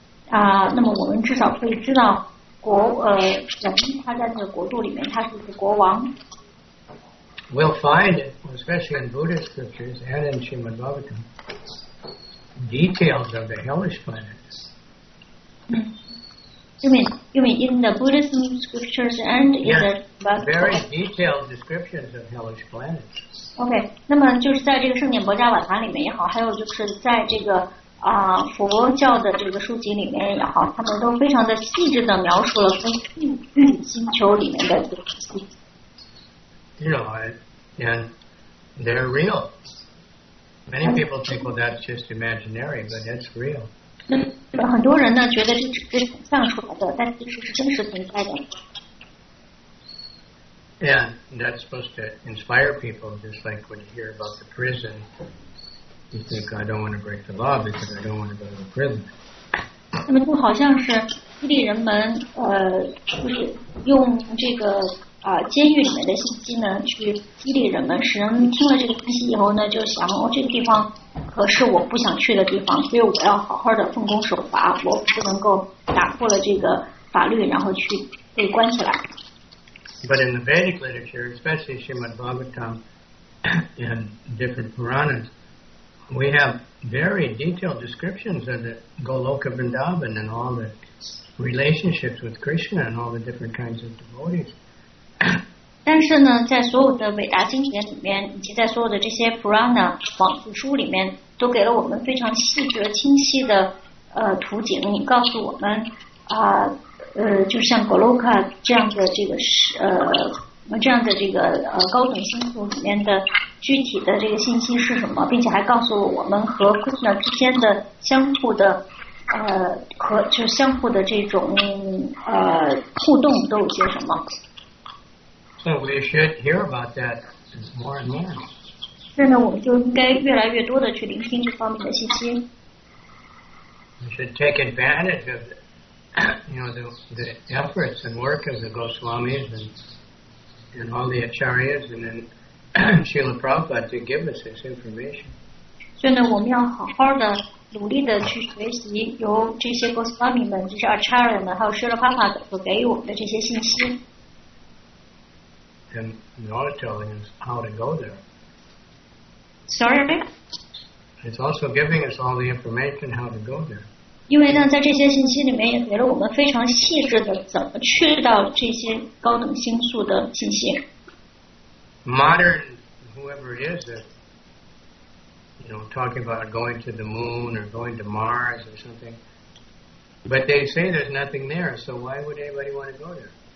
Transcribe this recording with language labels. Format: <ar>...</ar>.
<zh>啊，那么我们至少可以知道国人他在那个国度里面他是国王。</zh> <en>We'll find it, especially in Buddhist scriptures and in Srimad Bhagavatam, details of the hellish planet. You mean in the Buddhist scriptures and in the very detailed descriptions of hellish planet.</en> <zh>Okay, 那么就是在这个圣典薄伽瓦坛里面也好，还有就是在这个佛教的这个书籍里面也好，他们都非常的细致的描述了跟星球里面的东西。</zh> <en>You know, and they're real. Many people think, well, that's just imaginary, but it's real.</en> <zh>很多人呢觉得这是像出来的，但其实是真实存在的。</zh> <en>And that's supposed to inspire people, just like when you hear about the prison, you think, I don't want to break the law because I don't want to go to the prison.</en> <zh>那么就好像是激励人们，就是用这个。监狱里面的信息呢，去激励人们，使人们听了这个信息以后呢，就想哦，这个地方可是我不想去的地方，所以我要好好的奉公守法，我不能够打破了这个法律，然后去被关起来。</zh> <en>But in the Vedic literature, especially Srimad Bhagavatam and different Puranas, we have very detailed descriptions of the Goloka Vrindavan and all the relationships with Krishna and all the different kinds of devotees.</en> <zh>但是呢，在所有的伟大经典里面，以及在所有的这些 Purana 往事书里面，都给了我们非常细致清晰的图景，你告诉我们就像 Goloka 这样的这个高等星球里面的具体的这个信息是什么，并且还告诉了我们和 Krishna 之间的相互的和就是相互的这种互动都有些什么。</zh> <en>So we should hear about that more and more.</en> <zh>现在我们就应该越来越多的去聆听这方面的信息。</zh> <en>We should take advantage of the efforts and work of the Goswamis and all the Acharyas and then Srila Prabhupada to give us this information.</en> <zh>现在我们要好好的努力的去学习由这些 Goswami 们，就是 Acharya 们，还有 Srila Prabhupada 所给予我们的这些信息。</zh> <en>And not telling us how to go there. Sorry? It's also giving us all the information how to go there.</en> <zh>因为呢，在这些信息里面也给了我们非常细致的怎么去到这些高等星宿的信息。</zh> <en>Modern, whoever it is, talking about going to the moon or going to Mars or something, but they say there's nothing there, so why would anybody want to go there?</en>